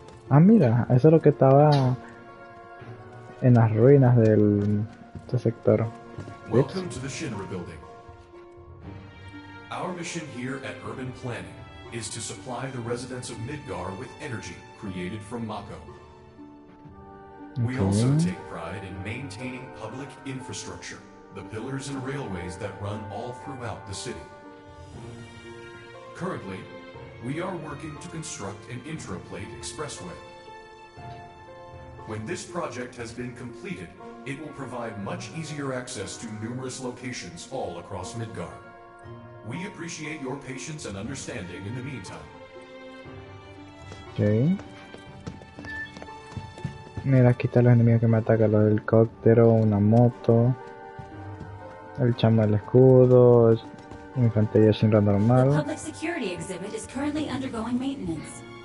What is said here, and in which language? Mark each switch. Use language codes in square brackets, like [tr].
[es] Ah, mira, eso es lo que estaba en las ruinas del este sector. [en] Welcome to the Shinra building. Our mission here at Urban Planning is to supply the residents of Midgar with energy created from Mako. We also take pride in maintaining public infrastructure, the pillars and railways that run all throughout the city. Currently, we are working to construct an intraplate expressway. When this project has been completed, it will provide much easier access to numerous locations all across Midgar. We appreciate your patience and understanding in the meantime. Okay. [es] Mira, aquí están los enemigos que me atacan, los del helicóptero, una moto, el chamo del escudo, infantería sin rango normal. [en] The public security exhibit is currently undergoing maintenance.